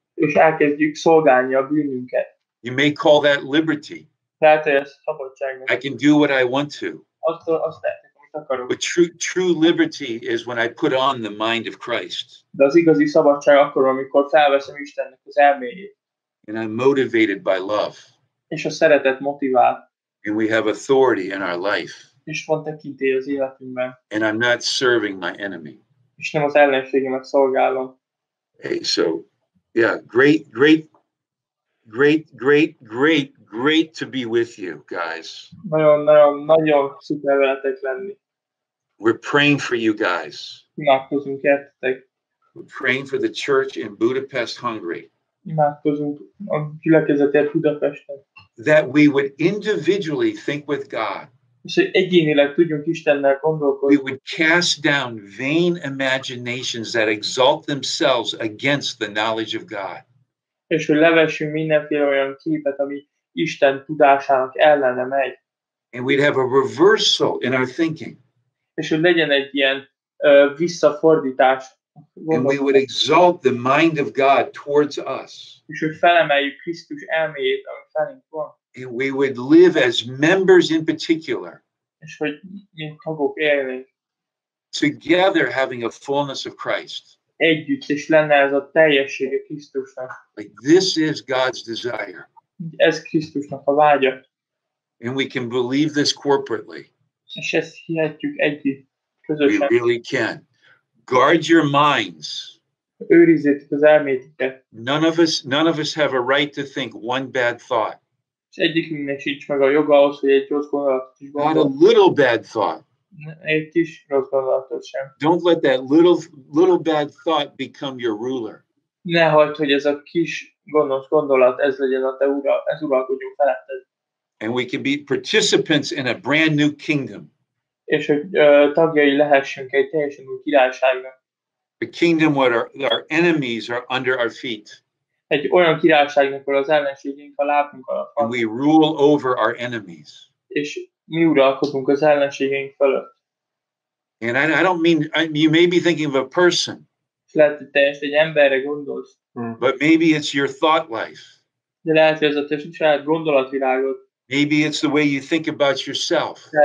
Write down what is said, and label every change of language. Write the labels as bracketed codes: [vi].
[hu] És elkezdjük szolgálni a bűnünket. [en] You may call that liberty. [hu] Tehát ez szabadság. [en] I can do what I want to. [hu] Azt tehetek, amit akarok. [en] But true liberty is when I put on the mind of Christ. [hu] De az igazi szabadság akkor, amikor felveszem Istennek az elméjét. [en] And I'm motivated by love. [hu] És a szeretet motivál. [en] And we have authority in our life. [hu] És van tekintély az életünkben. [en] And I'm not serving my enemy. [hu] És nem az ellenségemet szolgálom. [en] Hey, so, yeah, great, great, great, great, great, great to be with you, guys. [hu] Nagyon, nagyon, nagyon szuper veletek lenni. [en] We're praying for you guys. [hu] Imádkozunk értetek. [en] We're praying for the church in Budapest, Hungary. [hu] Imádkozunk a gyülekezetért Budapesten. [en] That we would individually think with God. [hu] És hogy egyénileg tudjunk Istennel gondolkodni. [en] We would cast down vain imaginations that exalt themselves against the knowledge of God. [hu] És hogy levessünk mindenféle olyan képet, ami Isten tudásának ellene megy. [en] And we'd have a reversal in our thinking. [hu] És hogy legyen egy ilyen visszafordítás. [en] And we would exalt the mind of God towards us. [hu] És hogy felemeljük Krisztus elméjét, ami felénk van. [en] And we would live as members in particular. [hu] És hogy mint tagok élnénk. [en] Together having a fullness of Christ. [hu] Együtt, és lenne ez a teljesség a Krisztusnak. [en] Like this is God's desire. [hu] Ez Krisztusnak a vágya. [en] And we can believe this corporately. [hu] És ezt hihetjük együtt, közösen. [en] We really can. Guard your minds. [hu] Őrizzétek az elméteket. [en] None of us have a right to think one bad thought. [hu] És egyikünknek sincs meg a joga ahhoz, hogy egy rossz gondolatot is gondol. [en] Not a little bad thought. [hu] Egy kis rossz gondolatot sem. [en] Don't let that little bad thought become your ruler. [hu] Ne hagyd, hogy ez a kis gonosz gondolat, ez legyen a te ura, ez uralkodjon feletted. [en] And we can be participants in a brand new kingdom. [hu] És hogy tagjai lehessünk egy teljesen új királyságnak. [en] A kingdom where our enemies are under our feet. [hu] Egy olyan királyságnak, ahol az ellenségünk a lábunk alatt van. [en] And we rule over our enemies. [hu] És mi uralkodunk az ellenségünk fölött. [en] And I don't mean, you may be thinking of a person. [hu] És lehet, hogy te ezt egy emberre gondolsz. [en] But maybe it's your thought life. [hu] De lehet, hogy ez a te saját gondolatvilágod. [en] Maybe it's the way you think about yourself.